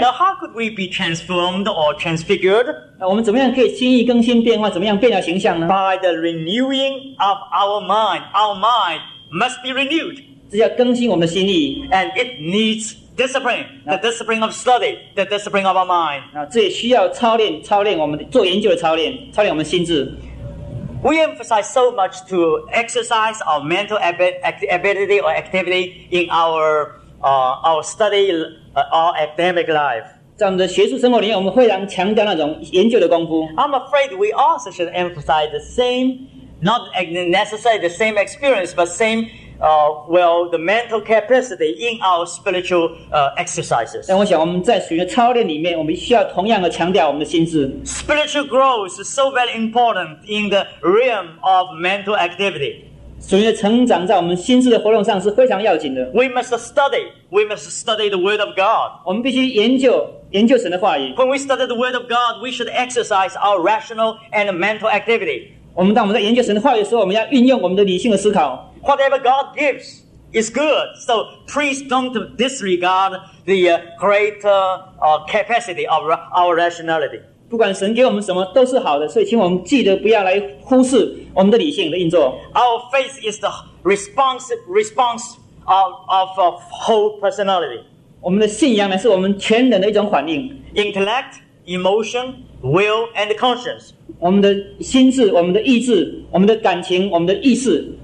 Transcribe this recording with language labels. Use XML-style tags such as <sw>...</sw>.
<en>Now how could we be transformed or transfigured?</en> <zh>我们怎么样可以轻易更新变化，怎么样变了形象呢？</zh> <en>By the renewing of our mind. Our mind must be renewed.</en> <zh>这叫更新我们的心意。</zh> <en>And it needs discipline, the discipline of study, the discipline of our mind.</en> <zh>这也需要操练，操练我们做研究的操练，操练我们心智。</zh> <en>We emphasize so much to exercise our mental ability or activity in our study, our academic life.</en> <zh>在我们的学术生活里面，我们非常强调那种研究的功夫。</zh> <en>I'm afraid we also should emphasize the same, not necessarily the same experience, but same. The mental capacity in our spiritual exercises.</en> <zh>但我想我们在属于操练里面，我们需要同样的强调我们的心智。</zh> <en>Spiritual growth is so very important in the realm of mental activity.</en> <zh>属于的成长在我们心智的活动上是非常要紧的。</zh> <en>We must study. We must study the Word of God.</en> <zh>我们必须研究神的话语。</zh> <en>When we study the Word of God, we should exercise our rational and mental activity.</en> <zh>我们当我们在研究神的话语的时候，我们要运用我们的理性的思考。</zh> <en>Whatever God gives is good. So please don't disregard the greater capacity of our rationality.</en> <zh>不管神给我们什么都是好的，所以请我们记得不要来忽视我们的理性的运作。</zh> <en>Our faith is the response of a whole personality.</en> <zh>我们的信仰呢，是我们全人的一种反应。</zh> <en>Intellect, emotion, will, and conscience.</en> <zh>我们的心智，我们的意志，我们的感情，我们的意识。</zh>